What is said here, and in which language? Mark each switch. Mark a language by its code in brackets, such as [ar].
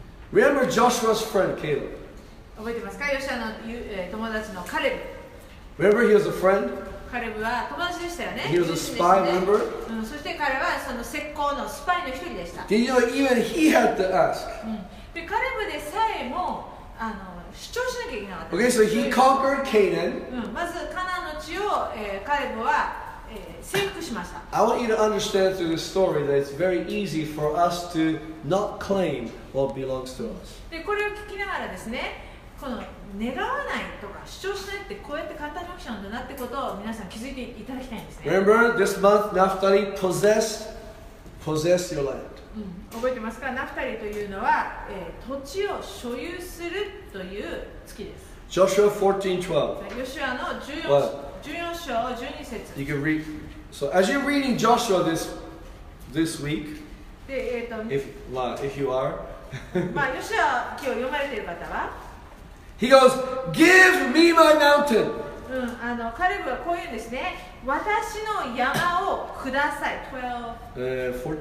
[en] Remember Joshua's friend Caleb. [ja] 覚えてますか、ヨシュアの友達のカレブ。 [en] Remember he was a friend. [ja] カレブは友達でしたよね。 [en] He was a spy, remember?、 [ja] うん、そして彼はその石膏のスパイの一人でした。 [en] Did you know even he had to ask?、う [ja] ん、でカレブでさえも主張しなきゃいけなかった。 [en] Okay, so he conquered Canaan.、 [ja] うん、まずカナンの地を、カレブは、征服しました。 [en] I want you to understand through this story that it's very easy for us to not claim what belongs to us. [ja] でこれを聞きながらですね、この願わないとか主張しないってこうやって簡単に起きちゃうんだなってことを皆さん気づいていただきたいんですね。 [en] Remember, this month Naphtali possessed your land. [ja] うん、覚えてますか。ナフタリというのは、土地を所有するという月です。 [en] Joshua 14:12. [ja] ヨシュアの14章12節。 [en] You can read. So as you're reading Joshua this week, if you are, [ja] まあヨシュア今日読まれている方は、 [en] He goes, "Give me my mountain." [ja] うん、カレブはこう言うんですね。私の山をください。